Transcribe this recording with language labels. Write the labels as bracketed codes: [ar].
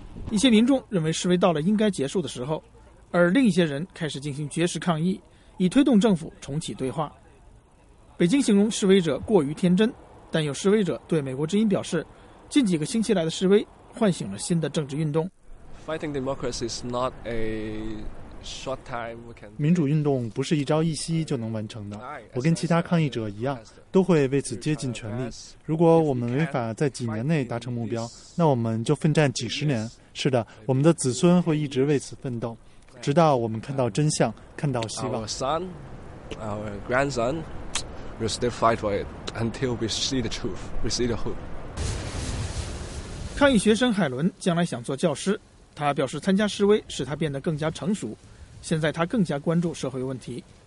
[zh] 一些民众认为示威到了应该结束的时候，而另一些人开始进行绝食抗议，以推动政府重启对话。北京形容示威者过于天真，但有示威者对美国之音表示，近几个星期来的示威唤醒了新的政治运动。 [en] Fighting democracy is not a short time we can. [zh] 民主运动不是一朝一夕就能完成的。我跟其他抗议者一样，都会为此竭尽全力。如果我们没法在几年内达成目标，那我们就奋战几十年。是的，我们的子孙会一直为此奋斗，直到我们看到真相，看到希望。 [en] Our son, our grandson, will still fight for it until we see the truth, we see the hope. [zh] 抗议学生海伦将来想做教师。他表示，参加示威使他变得更加成熟。现在他更加关注社会问题。